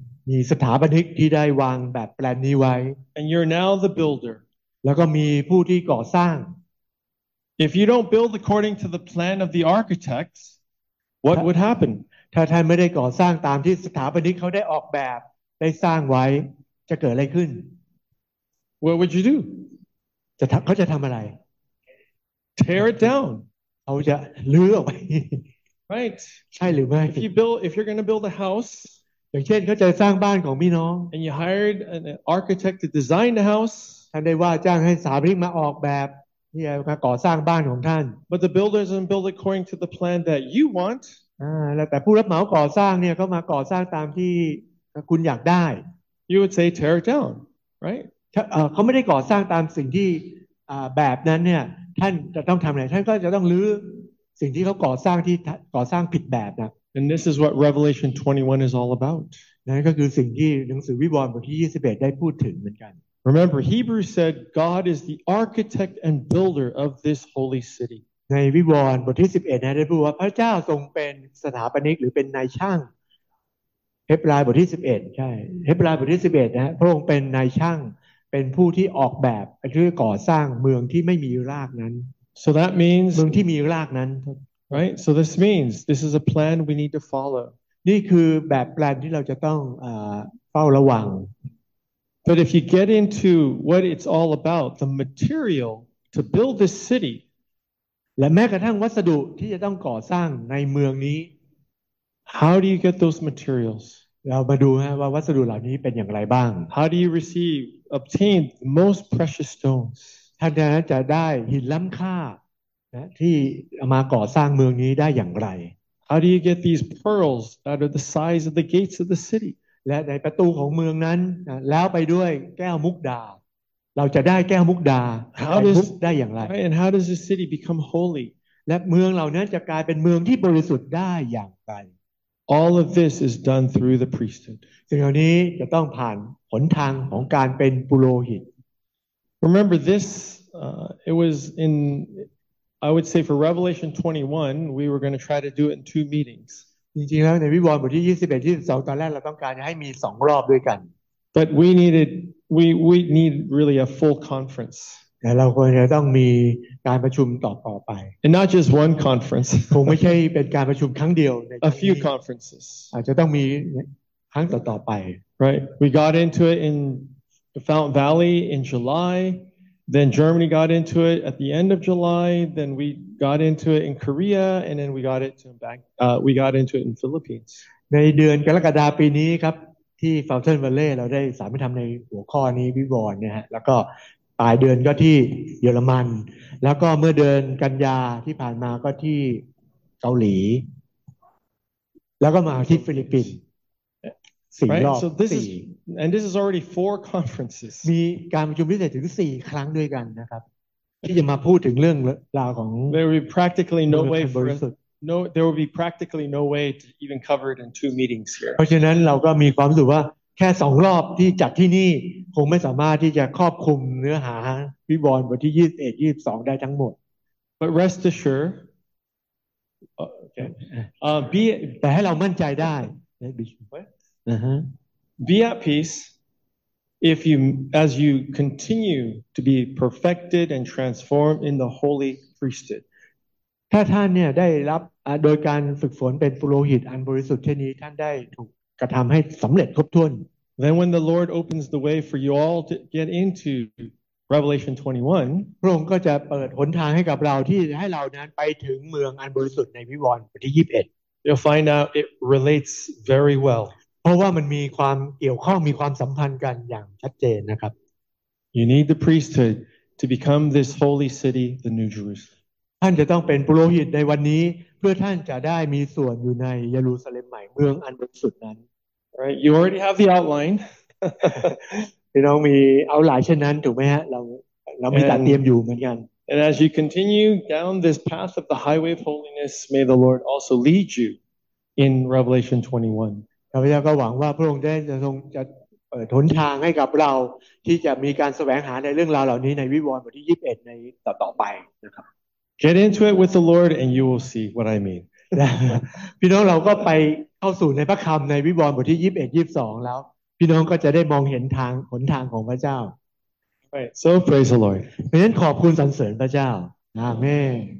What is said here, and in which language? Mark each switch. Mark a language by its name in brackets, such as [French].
[Thai] มีสถาปนิกที่ได้วางแบบแปลนนี้ไว้ [English] And you're now the builder [Thai] แล้วก็มีผู้ที่ก่อสร้าง [English] If you don't build according to the plan of the architects what would happen [Thai] ถ้าท่านไม่ได้ก่อสร้างตามที่สถาปนิกเขาได้ออกแบบได้สร้างไว้จะเกิดอะไรขึ้น [English] What would you do? [Thai] จะเขาจะทำอะไร [English] Tear it down [Thai] เขาจะรื้อออกไป [English] Right [Thai] ใช่หรือไม่ [English] If you're going to build a house [Thai] อย่างเช่นเขาจะสร้างบ้านของพี่น้อง [English] And you hired an architect to design the house [Thai] ท่านได้ว่าจ้างให้สถาปนิกมาออกแบบที่จะก่อสร้างบ้านของท่าน [English] But the builder doesn't build according to the plan that you want [Thai] แต่ผู้รับเหมาก่อสร้างเนี่ยเขามาก่อสร้างตามที่คุณอยากได้ [English] You would say tear it down, right? [Thai] เขาไม่ได้ก่อสร้างตามสิ่งที่แบบนั้นเนี่ยท่านจะต้องทำอะไรท่านก็จะต้องรื้อสิ่งที่เขาก่อสร้างที่ก่อสร้างผิดแบบนะ [English] And this is what Revelation 21 is all about. [Thai] นั่นก็คือสิ่งที่หนังสือวิวรณ์บทที่21ได้พูดถึงเหมือนกัน [English] Remember, Hebrews said God is the architect and builder of this holy city. [Thai] ในวิวรณ์บทที่11นั้นได้พูดว่าพระเจ้าทรงเป็นสถาปนิกหรือเป็นนายช่างเฮบรายบทที่11ใช่เฮบรายบทที่11นะพระองค์เป็นนายช่างเป็นผู้ที่ออกแบบหรือก่อสร้างเมืองที่ไม่มีรากนั้น [English] So that means [Thai] เมืองที่มีรากนั้น [English] Right so this means this is a plan we need to follow [Thai] นี่คือแบบแปลนที่เราจะต้องเฝ้าระวัง [English] But if you get into what it's all about the material to build this city [Thai] และแม้กระทั่งวัสดุที่จะต้องก่อสร้างในเมืองนี้ [English] How do you get those materials [Thai] เรามาดูฮะว่าวัสดุเหล่านี้เป็นอย่างไรบ้าง [English] How do you receive obtain the most precious stones [Thai] ท่านจะได้หินล้ำค่านะที่มาก่อสร้างเมืองนี้ได้อย่างไร [English] How do you get these pearls out of the size of the gates of the city [Thai] และในประตูของเมืองนั้นแล้วไปด้วยแก้วมุกดาเราจะได้แก้วมุกดาได้อย่างไร [English] And how does the city become holy [Thai] และเมืองเหล่านั้นจะกลายเป็นเมืองที่บริสุทธิ์ได้อย่างไร [English] All of this is done through the priesthood [Thai] สิ่งเหล่านี้จะต้องผ่านหนทางของการเป็นปุโรหิต [English] Remember this it was in I would say for Revelation 21 we were going to try to do it in two meetings [Thai] จริงๆแล้วในวิวรณ์บทที่21 22ตอนแรกเราต้องการให้มี2รอบด้วยกัน [English] But we need really a full conference [Thai] แต่เราควรจะต้องมีการประชุมต่อไป [English] And not just one conference [Thai] คงไม่ใช่เป็นการประชุมครั้งเดียว [English] A few conferences [Thai] อาจจะต้องมีครั้งต่อๆไป [English] Right we got into it in the Fountain Valley in JulyThen Germany got into it at the end of July. Then we got into it in Korea, and then we got it to back. We got into it in Philippines. [Thai] ในเดือนกรกฎาคมปีนี้ครับที่ Fountain Valley เราได้สามารถทำในหัวข้อนี้วิวรณ์เนี่ยฮะแล้วก็ปลายเดือนก็ที่เยอรมันแล้วก็เมื่อเดือนกันยาที่ผ่านมาก็ที่เกาหลีแล้วก็มาที่ฟิลิปปินส์ [English] Right. So this is, and this is already four conferences. [Thai] มีการประชุมพิเศษถึง4ครั้งด้วยกันนะครับที่จะมาพูดถึงเรื่องราวของ [English] There will be practically no way for no. There will be practically no way to even cover it in two meetings here. [Thai] เพราะฉะนั้นเราก็มีความรู้สึกว่าแค่2รอบที่จัดที่นี่คงไม่สามารถที่จะครอบคลุมเนื้อหาวิวรณ์บทที่21 22ได้ทั้งหมด [English] But rest assured. Okay. Be. [Thai] แต่ให้เรามั่นใจได้ [English] Be at peace if you, as you continue to be perfected and transformed in the holy priesthood. [Thai] ถ้าท่านเนี่ยได้รับโดยการฝึกฝนเป็นปุโรหิตอันบริสุทธิ์เช่นนี้ท่านได้ถูกกระทำให้สำเร็จครบถ้วน [English] Then when the Lord opens the way for you all to get into Revelation 21, [Thai] พระองค์ก็จะเปิดหนทางให้กับเราที่ให้เรานั้นไปถึงเมืองอันบริสุทธิ์ในวิวรณ์บทที่21 [English] You'll find out it relates very well. [Thai] เพราะว่ามันมีความเกี่ยวข้องมีความสัมพันธ์กันอย่างชัดเจนนะครับ [English] You need the priesthood to become this holy city the new Jerusalem [Thai] ท่านจะต้องเป็นปุโรหิตในวันนี้เพื่อท่านจะได้มีส่วนอยู่ในเยรูซาเล็มใหม่เมืองอันบริสุทธิ์นั้น [English] Right you already have the outline [Thai] พี่น้องมีเอาหลายเช่นนั้นถูกไหมฮะเรามีการเตรียมอยู่เหมือนกัน [English] And as you continue down this path of the highway of holiness may the Lord also lead you in Revelation 21 [Thai] ข้าพเจ้าก็หวังว่าพระองค์ได้จะทรงจะเปิดหนทางให้กับเราที่จะมีการแสวงหาในเรื่องราวเหล่านี้ในวิวรณ์บทที่21ในต่อไปนะครับ [English] Get into it with the Lord and you will see what I mean [Thai] พี่น้องเราก็ไปเข้าสู่ในพระคำในวิวรณ์บทที่21 22แล้วพี่น้องก็จะได้มองเห็นทางหนทางของพระเจ้า [English] Right so praise the Lord [Thai] เพราะฉะนั้นขอบคุณสรรเสริญพระเจ้าอาเมน